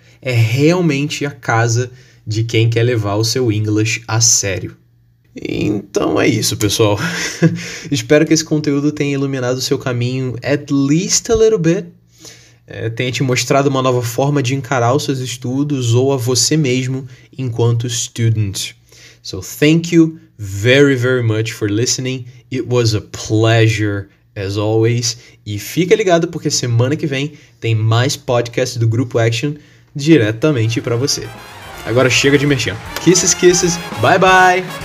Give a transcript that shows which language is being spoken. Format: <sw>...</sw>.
<pt>É realmente a casa de quem quer levar o seu English a sério. Então é isso, pessoal. Espero que esse conteúdo tenha iluminado o seu caminho</pt> <en>at least a little bit.</en> <pt>Tenha te mostrado uma nova forma de encarar os seus estudos ou a você mesmo enquanto student.</pt> <en>So thank you very, very much for listening. It was a pleasure, as always.</en> <pt>E fica ligado porque semana que vem tem mais podcast do Grupo Action diretamente para você. Agora chega de mexer.</pt> <en>Kisses, kisses. Bye, bye.</en>